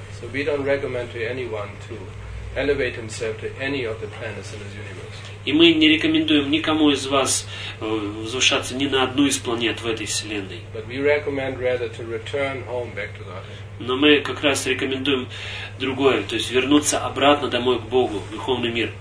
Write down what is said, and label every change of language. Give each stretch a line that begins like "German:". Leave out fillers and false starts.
English: So we don't recommend to anyone to elevate himself to any of the planets in this universe.
Russian: И мы не рекомендуем никому из вас возвышаться ни на одну из планет в этой вселенной.
English: But we recommend rather to return home back to God.
Russian: Но мы как раз рекомендуем другое, то есть вернуться обратно домой к Богу, в духовный мир,